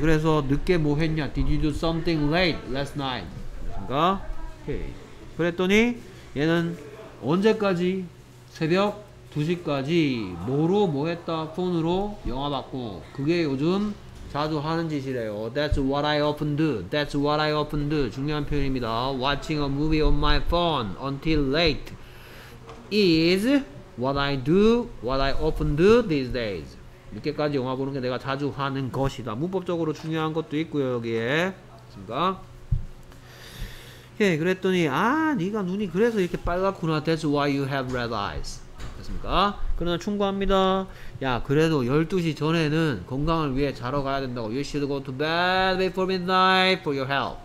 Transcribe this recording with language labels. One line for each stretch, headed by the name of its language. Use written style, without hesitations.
Korean: 그래서 늦게 뭐 했냐?
English: Did you do something late last night?
Korean: 됐습니까? 오케이. 그랬더니 얘는 언제까지? 새벽 2시까지 뭐로 뭐 했다? 폰으로 영화 봤고. 그게 요즘 자주 하는 짓이래요.
English: That's what I often do. That's what I often do.
Korean: 중요한 표현입니다.
English: Watching a movie on my phone until late is what I do, what I often do these days.
Korean: 이렇게까지 영화 보는 게 내가 자주 하는 것이다. 문법적으로 중요한 것도 있고요, 여기에. 그렇습니까? 오케이, 그랬더니 아, 네가 눈이 그래서 이렇게 빨갛구나.
English: That's why you have red eyes.
Korean: 됐습니까? 그러나 충고합니다. 야, 그래도 12시 전에는 건강을 위해 자러 가야 된다고.
English: You should go to bed before midnight for your health.